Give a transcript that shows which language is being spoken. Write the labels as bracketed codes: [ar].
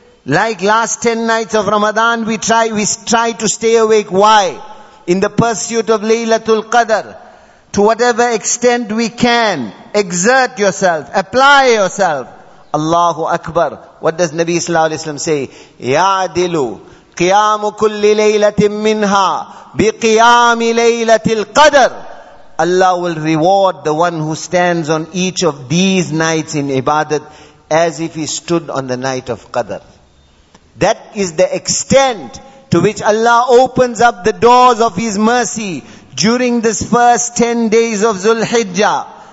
[en] Like last 10 nights of Ramadan, we try to stay awake. Why? In the pursuit of Laylatul Qadr. To whatever extent we can, exert yourself, apply yourself. Allahu Akbar. What does Nabi Sallallahu Alaihi Wasallam say? [ar] يَعْدِلُ قيام كل ليلة منها بقيام ليلة القدر. [en] Allah will reward the one who stands on each of these nights in ibadat as if he stood on the night of Qadr. That is the extent to which Allah opens up the doors of His mercy during this first 10 days of Zulhijjah.